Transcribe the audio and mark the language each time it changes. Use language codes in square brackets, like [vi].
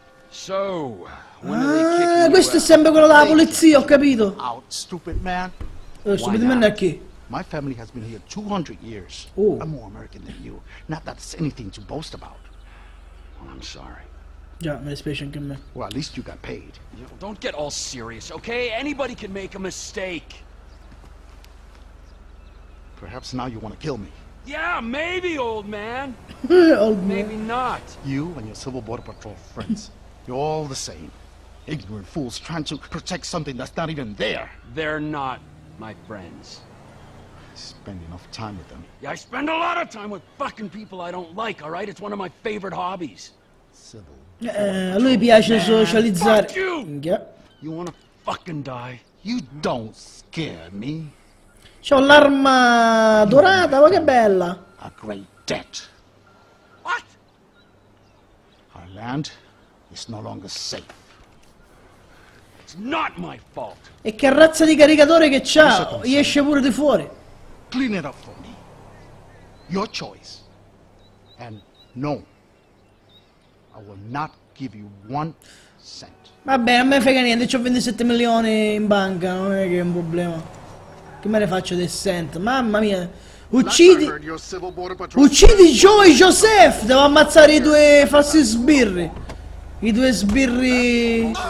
[it] So, questo è sempre quello della polizia, ho capito. [en] Out, stupid man. [it] Stupid man è chi? [en] My family has been here 200 years. Oh. I'm more American than you. Not that's anything to boast about. Well, I'm sorry. Yeah, [it] mi dispiace anche a me. [en] Well, at least you got paid. Yo, don't get all serious, okay? Anybody can make a mistake. Perhaps now you want to kill me. Yeah, maybe, old man. Old man. Maybe not. You and your Civil Border Patrol friends, you're all the same. Ignorant fools trying to protect something that's not even there. They're not my friends. I spend enough time with them. Yeah, I spend a lot of time with fucking people I don't like, all right? It's one of my favorite hobbies. [it] Civil lui piace man. Socializzare. [en] Fuck you! Yeah. You wanna fucking die? You don't scare me. [it] C'ho l'arma dorata, ma che bella! [en] A great debt. What? Our land is no longer safe. It's not my fault. [it] E che razza di caricatore che c'ha? Gli esce pure di fuori. [en] Clean it up for me. Your choice. And no. I will not give you one cent. [it] Vabbè, non me ne frega niente, c'ho 27 milioni in banca, non è che è un problema. Che me ne faccio dei cent? Mamma mia. Uccidi Joe e Joseph! Devo ammazzare i due falsi sbirri. I due sbirri.